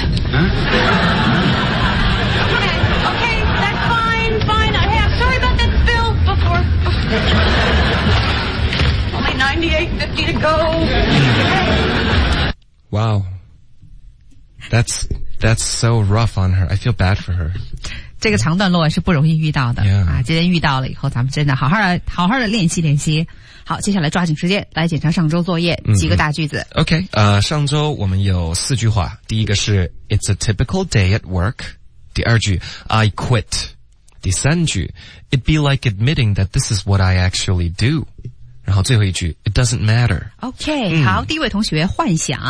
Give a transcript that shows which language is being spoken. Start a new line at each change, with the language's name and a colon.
English: Huh? Okay, that's fine, fine. I have. Sorry about that spill before. Only 98.50 to go. Wow. That's so rough on her. I feel bad for her.
Chinese: 这个长段落是不容易遇到的、
English: yeah.
Chinese: 啊！今天遇到了以后，咱们真的好好的好好的练习练习。好，接下来抓紧时间来检查上周作业几个大句子。 OK， 上周我们有四句话。第一个是
English: It's a typical day at work。
Chinese: 第二句
English: I quit。
Chinese: 第三句
English: It'd be like admitting that this is what I actually do。
Chinese: 然后最后一句
English: It doesn't matter。
Chinese: OK，、嗯、好，第一位同学幻想